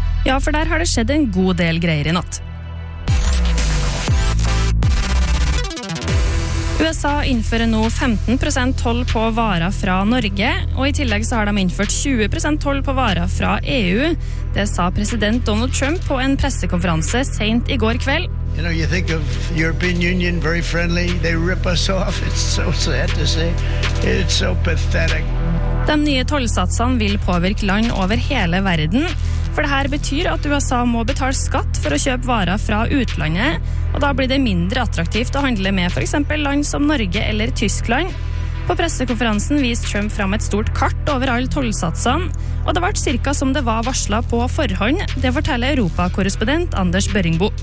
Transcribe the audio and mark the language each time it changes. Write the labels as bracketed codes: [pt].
[no] Ja, for der har det skjedd en god del greier i natt. USA innfører nå 15% toll på varer fra Norge, og i tillegg så har de innført 20% toll på varer fra EU. Det sa president Donald Trump på en pressekonferanse sent i går kveld. [en] You know, you think of European Union very friendly, they rip us off, it's so sad to say, it's so pathetic. [no] De nye tollsatsene vil påvirke land over hele verden, for det her betyr at USA må betale skatt for å kjøpe varer fra utlandet, og da blir det mindre attraktivt å handle med for eksempel land som Norge eller Tyskland. På pressekonferansen viste Trump fram et stort kart over alle tollsatsene, og det ble cirka som det var varslet på forhånd, det forteller Europa-korrespondent Anders Børingbo.